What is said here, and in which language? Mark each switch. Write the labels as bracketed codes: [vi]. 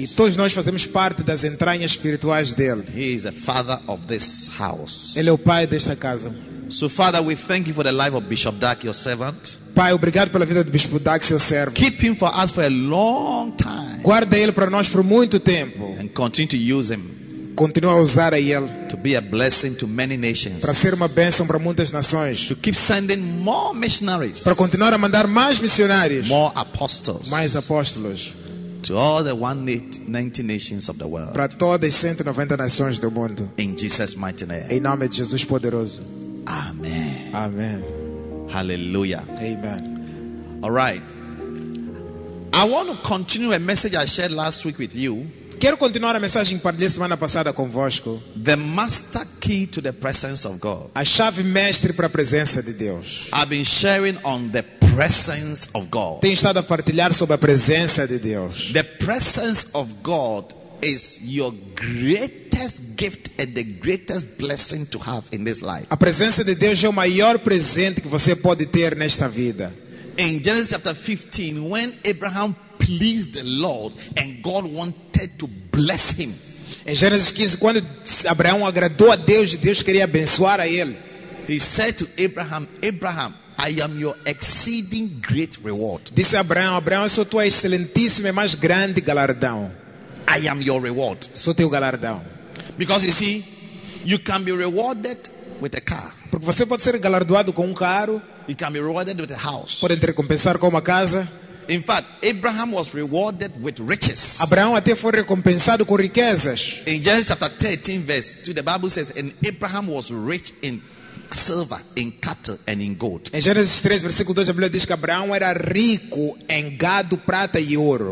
[pt] E todos nós fazemos parte das entranhas espirituais dele. [en] He is the father of this house. [pt] Ele é o pai desta casa. [en] So Father, we thank you for the life of Bishop Duck, your servant. [pt] Pai, obrigado pela vida do Bispo Duck, seu servo. [en] Keep him for us for a long time. [pt] Guarda ele para nós por muito tempo. [en] And continue to use him. [pt] continue a usar a ele. [en] To be a blessing to many nations. [pt] Para ser uma bênção para muitas nações. [en] To keep sending more missionaries. [pt] Para continuar a mandar mais missionários. [en] More apostles. [pt] Mais apóstolos. [en] To all the 190 nations of the world. [pt] Para todas as 190 nações do mundo. [en] In Jesus' mighty name. [pt] Em nome de Jesus poderoso. [en] Amen. [pt] Amen. [en] Hallelujah. [pt] Amen. [en] All right. I want to continue a message I shared last week with you. [pt] Quero continuar a mensagem que partilhei semana passada convosco. [en] The master key to the presence of God. [pt] A chave mestre para a presença de Deus. [en] I've been sharing on the presence of God. [pt] Tenho estado a partilhar sobre a presença de Deus. [en] The presence of God is your greatest gift and the greatest blessing to have in this life. [pt] A presença de Deus é o maior presente que você pode ter nesta vida. [en] In Genesis chapter 15, when Abraham pleased the Lord and God wanted to bless him. [pt] Em Gênesis 15, quando Abraão agradou a Deus e Deus queria abençoar a ele. [en] He said to Abraham, Abraham, I am your exceeding great reward. [pt] Disse Abraão, Abraão, sou tua excelentíssima e mais grande galardão. [en] I am your reward. [pt] Sou teu galardão. [en] Because you see, you can be rewarded with a car. [pt] Porque você pode ser galardoado com carro. [en] You can be rewarded with a house. [pt] Pode ter recompensar com casa. [en] In fact, Abraham was rewarded with riches. [pt] Abraão até foi recompensado com riquezas. [en] In Genesis chapter 13, verse 2, the Bible says, and Abraham was rich in silver, in cattle, and in gold. [pt] Em Gênesis 3, versículo 2, a Bíblia diz que Abraão era rico em gado, prata e ouro.